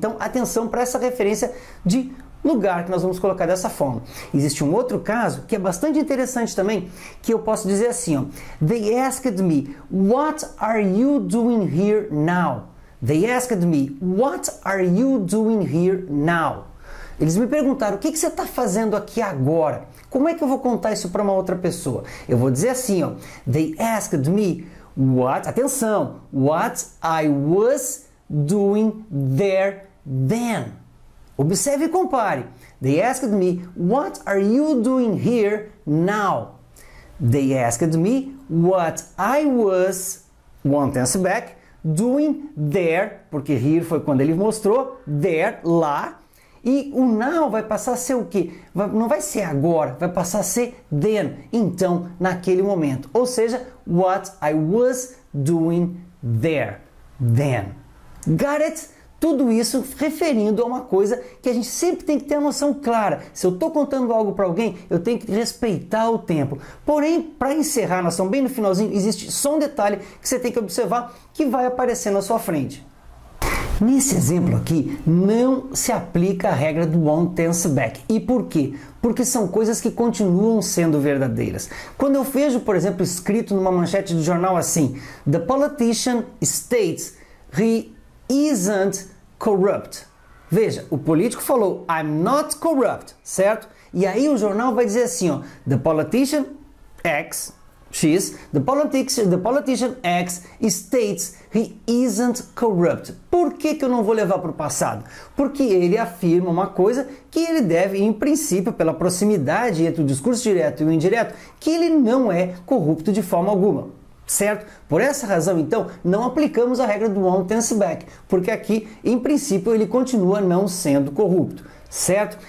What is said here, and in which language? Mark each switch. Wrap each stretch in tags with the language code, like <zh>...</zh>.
<pt>Então, atenção para essa referência de lugar que nós vamos colocar dessa forma. Existe um outro caso que é bastante interessante também, que eu posso dizer assim, ó.</pt> <en>They asked me, what are you doing here now? They asked me, what are you doing here now?</en> <pt>Eles me perguntaram, o que que você está fazendo aqui agora? Como é que eu vou contar isso para uma outra pessoa? Eu vou dizer assim, ó.</pt> <en>They asked me, what,</en> <pt>atenção,</pt> <en>what I was doing there then.</en> <pt>Observe e compare.</pt> <en>They asked me, what are you doing here now? They asked me, what I was, one tense back, doing there,</en> <pt>porque</pt> <en>here</en> <pt>foi quando ele mostrou,</pt> <en>there,</en> <pt>lá. E o now vai passar a ser o quê? Não vai ser agora, vai passar a ser then, então, naquele momento. Ou seja,</pt> <en>what I was doing there, then. Got it?</en> <pt>Tudo isso referindo a uma coisa que a gente sempre tem que ter a noção clara. Se eu estou contando algo para alguém, eu tenho que respeitar o tempo. Porém, para encerrar, nós estamos bem no finalzinho, existe só um detalhe que você tem que observar que vai aparecer na sua frente. Nesse exemplo aqui, não se aplica a regra do on tense back. E por quê? Porque são coisas que continuam sendo verdadeiras. Quando eu vejo, por exemplo, escrito numa manchete do jornal assim:</pt> <en>The politician states he isn't corrupt.</en> <pt>Veja, o político falou</pt> <en>I'm not corrupt,</en> <pt>certo? E aí o jornal vai dizer assim, ó,</pt> <en>The politician X, X, the politician X states he isn't corrupt.</en> <pt>Por que que eu não vou levar para o passado? Porque ele afirma uma coisa que ele deve, em princípio, pela proximidade entre o discurso direto e o indireto, que ele não é corrupto de forma alguma. Certo? Por essa razão, então, não aplicamos a regra do on tense back, porque aqui, em princípio, ele continua não sendo corrupto, certo?</pt>